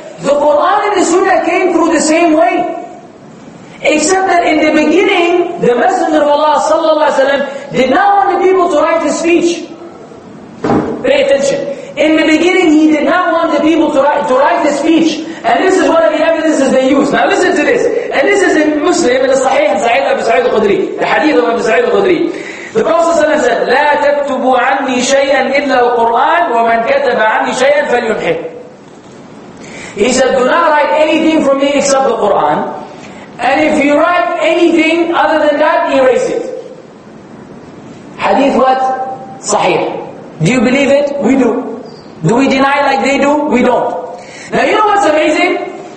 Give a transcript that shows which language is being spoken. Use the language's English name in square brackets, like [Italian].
[English] The Qur'an and the Sunnah came through the same way. Except that in the beginning, the Messenger of Allah sallallahu alaihi wasallam did not want the people to write his speech. Pay attention. In the beginning, he did not want the people to write his speech. And this is one of the evidences they use. Now listen to this. And this is in Muslim, in the Sahih, and Sahih Abu Sa'id [Arabic] الخدري، لحديث أبي سعيد الخدري. [English] The Prophet ﷺ said, [Arabic] لا تكتبوا عني شيئا إلا القرآن ومن كتب عني شيئا فلينحه. [English] He said, do not write anything from me except the Quran. And if you write anything other than that, erase it. Hadith what? Sahih. Do you believe it? We do. Do we deny like they do? We don't. Now you know what's amazing?